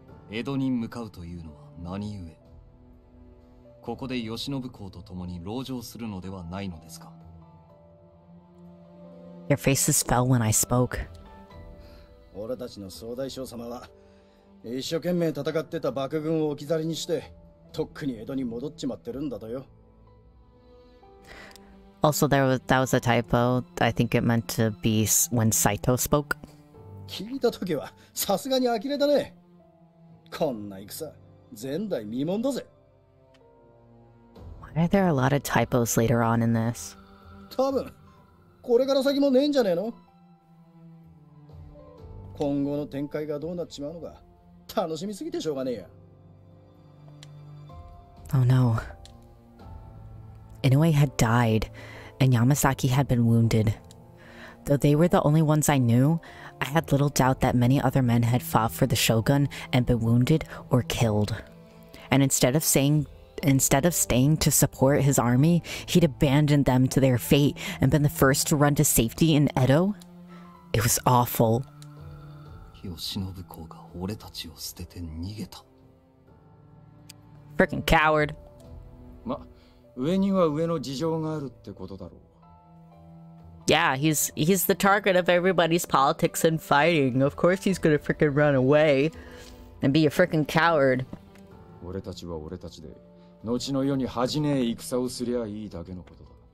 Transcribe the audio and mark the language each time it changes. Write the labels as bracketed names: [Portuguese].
[Japanese] 江戸に向かうというのは何故？ここで慶喜公と共に籠城するのではないのですか？ [English] Your faces fell when I spoke. [Japanese] 俺たちの総大将様は一生懸命戦ってた幕軍を置き去りにしてとっくに江戸に戻っちまってるんだとよ。 [English] Also, that was a typo. I think it meant to be when Saito spoke. [Japanese] 聞いた時はさすがに呆れたね。こんな戦、前代未聞だぜ。 [English] Why are there a lot of typos later on in this? [Japanese] 多分、これから先もねえんじゃねえの? 今後の展開がどうなっちまうのか楽しみすぎてしょうがねえや。 [English] Oh no. Inoue had died, and Yamasaki had been wounded. Though they were the only ones I knew, I had little doubt that many other men had fought for the shogun and been wounded or killed. And instead of staying to support his army, he'd abandoned them to their fate and been the first to run to safety in Edo? It was awful. [Japanese] 慶喜が俺たちを捨てて逃げた。 [English] Freaking coward。 [Japanese] ま、上には上の事情があるってことだろう。 [English] Yeah, he's the target of everybody's politics and fighting. Of course he's gonna freaking run away and be a freaking coward. [Japanese] 俺たちは俺たちで、後の世に恥じねえ戦をすりゃいいだけのことだ。